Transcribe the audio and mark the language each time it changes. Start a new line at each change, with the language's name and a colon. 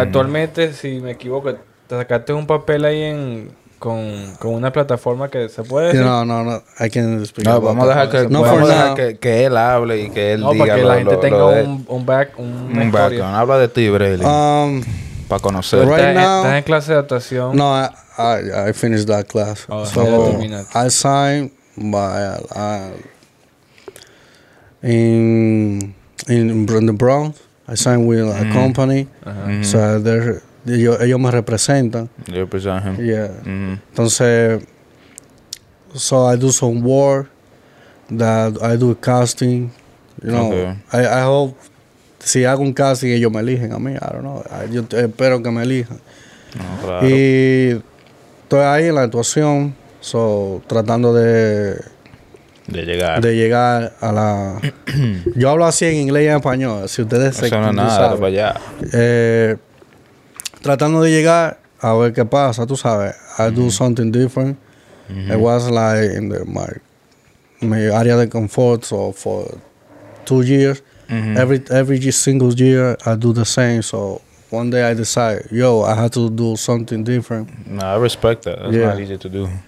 Spanish: Actualmente, si me equivoco, te sacaste un papel ahí en... Con una plataforma que se puede decir.
English: No, I can't speak.
Spanish: No, vamos a dejar que, no, vamos dejar que él hable y que él diga. Para que la gente tenga un background. Habla de ti, Braylin. Para conocer. Estás en clase de actuación.
English: No, I finished that class. Oh, so, yeah, I signed by in Brandon Brown. I signed with a company. Uh-huh. So there.
Spanish: Ellos me representan.
English: They represent him. Yeah. Mm-hmm. Entonces, so I do some work, that I do casting, you know. Okay. I hope,
Spanish: si hago un casting, ellos me eligen a mí.
English: I don't know.
Spanish: Yo espero que me elijan. No, claro. Y estoy ahí en la actuación, so tratando de... De llegar a la... Yo hablo así en inglés y en español. Si ustedes se quieren, no saben. Eso no es nada, para allá. Tratando de llegar a ver qué pasa, tú sabes.
English: I do something different. Mm-hmm. It was like in my area of comfort. So for 2 years, every single year I do the same. So one day I decide, yo, I have to do something different. Nah, I respect that. That's not easy to do.